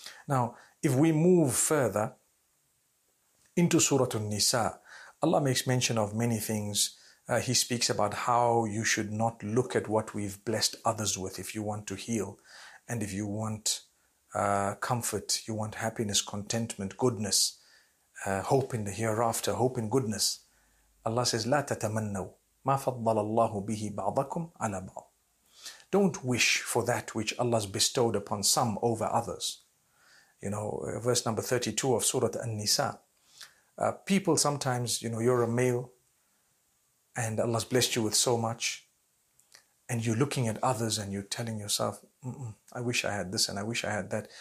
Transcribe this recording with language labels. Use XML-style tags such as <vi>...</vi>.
<en>Now, if we move further into Surah An-Nisa, Allah makes mention of many things. He speaks about how you should not look at what we've blessed others with if you want to heal. And if you want comfort, you want happiness, contentment, goodness, hope in the hereafter, hope in goodness. Allah says,</en> <ar>لَا تَتَمَنَّوْا مَا فَضَّلَ اللَّهُ بِهِ بَعْضَكُمْ عَلَى بَعْضٍ.</ar> <en>Don't wish for that which Allah's bestowed upon some over others. You know, verse number 32 of Surah An-Nisa. People sometimes, you know, you're a male and Allah's blessed you with so much and you're looking at others and you're telling yourself, I wish I had this and I wish I had that.</en>